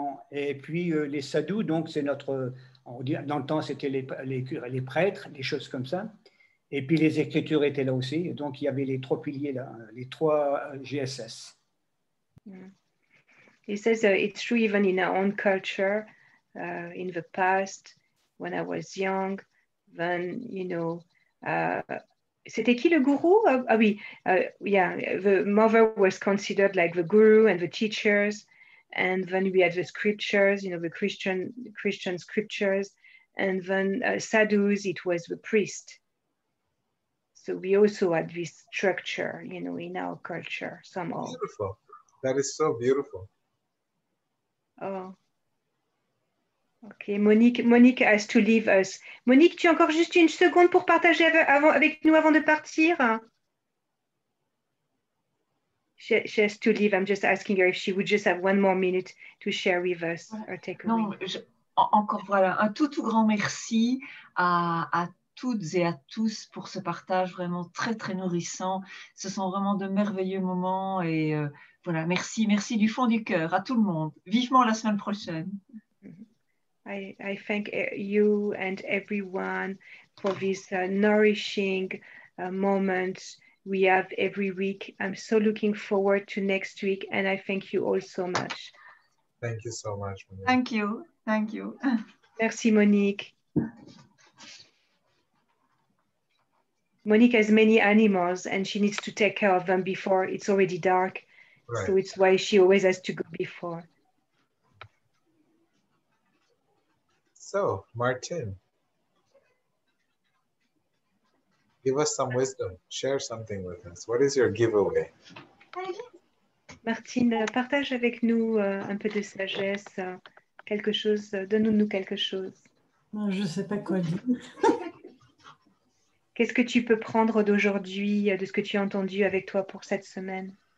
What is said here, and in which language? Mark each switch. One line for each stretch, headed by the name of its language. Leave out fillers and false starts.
French: Les sadhus, donc c'est notre, on dit, dans le temps, c'était les prêtres, des choses comme ça. Et puis les écritures étaient là aussi. Donc il y avait les trois piliers là, les trois GSS.
English: He says it's true even in our own culture, in the past, when I was young, then you know.
French: C'était qui le gourou?
English: The mother was considered like the guru and the teachers, and then we had the scriptures, you know, the Christian scriptures, and then sadhus, it was the priest. So we also had this structure, you know, in our culture somehow. Beautiful. That is so beautiful. Oh. Okay, Monique has to leave us.
French: Monique, tu as encore juste une seconde pour partager avec nous avant de partir?
English: She has to leave. I'm just asking her if she would just have one more minute to share with us her takeaway.
French: Non, encore voilà, un tout, tout grand merci à toutes et à tous pour ce partage vraiment très, très nourrissant. Ce sont vraiment de merveilleux moments et voilà, merci, merci du fond du cœur à tout le monde. Vivement la semaine prochaine.
English: I thank you and everyone for this nourishing moment we have every week. I'm so looking forward to next week, and I thank you all so much. Thank you so much, Monique. Thank you. Thank you.
French: Merci, Monique.
English: Monique has many animals, and she needs to take care of them before it's already dark. Right. So it's why she always has to go before. So, Martin, give us some wisdom. Share something with us. What is your giveaway?
French: Martin, partage avec nous un peu de sagesse, quelque chose, donne-nous quelque chose. Non, je ne sais pas quoi dire. Qu'est-ce que tu peux prendre d'aujourd'hui, de ce que tu as entendu avec toi pour cette semaine?